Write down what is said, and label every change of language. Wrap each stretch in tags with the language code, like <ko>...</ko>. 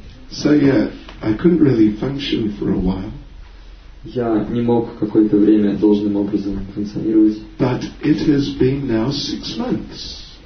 <en>So yeah, I couldn't really function for a while.</en> <ru>Я не мог какое-то время должным образом функционировать.</ru> <en>But it has been now 6 months.</en>